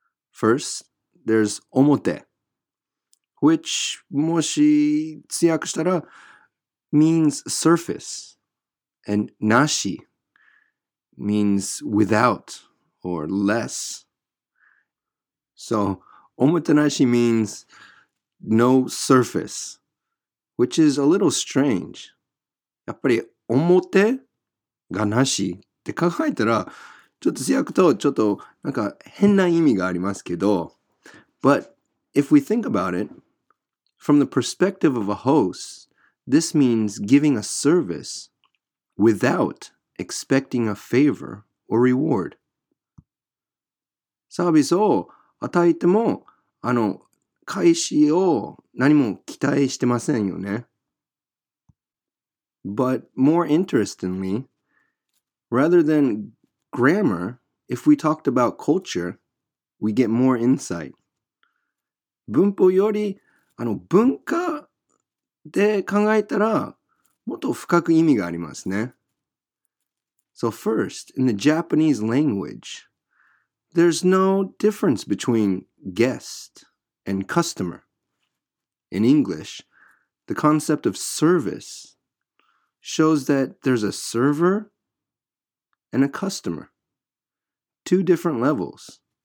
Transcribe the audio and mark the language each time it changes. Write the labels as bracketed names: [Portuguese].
[English] First, there's omote, which [Japanese] もし強くしたら [English] means surface, and nashi means without or less. So omotenashi means no surface, which is a little strange. [Japanese] やっぱり omoteがなしって考えたら、ちょっと強くとちょっとなんか変な意味がありますけど。 [English] But if we think about it, from the perspective of a host, this means giving a service without expecting a favor or reward. [Japanese] サービスを与えても、返しを何も期待してませんよね。 [English] But more interestingly,Rather than grammar, if we talked about culture, we get more insight. [Japanese] 文法より文化で考えたらもっと深く意味がありますね。 [English] So first, in the Japanese language, there's no difference between guest and customer. In English, the concept of service shows that there's a serverand a customer, two different levels.